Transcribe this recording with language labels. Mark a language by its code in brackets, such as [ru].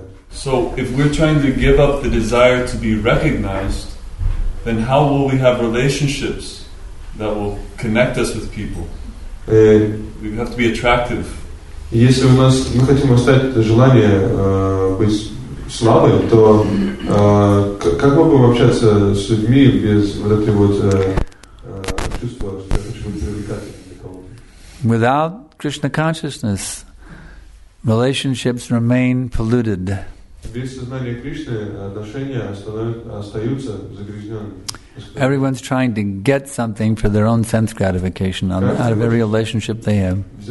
[en] So if we're trying to give up the desire to be recognized, then how will we have relationships that will connect us with people? We have to be attractive. [ru] Если у нас мы хотим оставить желание быть славой, то как мы будем общаться с людьми без вот этой вот чувства, что я хочу быть привлекательным? [en] Without Krishna consciousness, relationships remain polluted. [ru] Без сознания Кришны отношения остаются загрязненными. [en] Everyone's trying to get something for their own sense gratification out of every relationship they have.